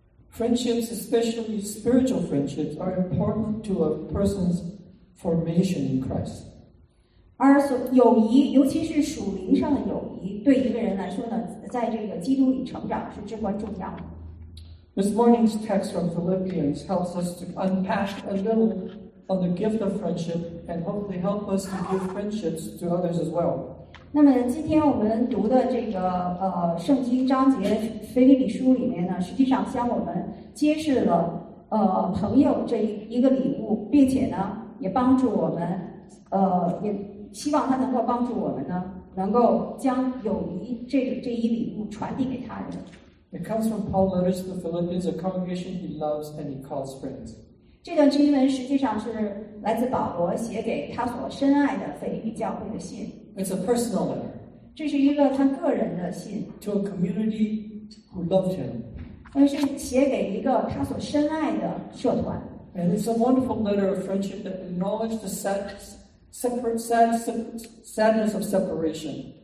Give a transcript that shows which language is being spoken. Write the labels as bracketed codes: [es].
[en] Friendships, especially spiritual friendships, are important to a person's formation in Christ. [zh] 而友谊，尤其是属灵上的友谊，对一个人来说呢，在这个基督里成长是至关重要的。 [en] This morning's text from Philippians helps us to unpack a little of the gift of friendship and hopefully help us to give friendships to others as well. [zh] 那么今天我们读的这个圣经章节腓立比书里面呢，实际上向我们揭示了朋友这一个礼物，并且呢也帮助我们也希望他能够帮助我们呢，能够将友谊这一礼物传递给他人。 [en] It comes from Paul's letters to the Philippians, a congregation he loves and he calls friends. [zh] 这段经文实际上是来自保罗写给他所深爱的腓立比教会的信。 [en] It's a personal letter. [zh] 这是一个他个人的信。 [en] To a community who loved him. [zh] 但是写给一个他所深爱的社团。 [en] And it's a wonderful letter of friendship that acknowledges the sadness of separation.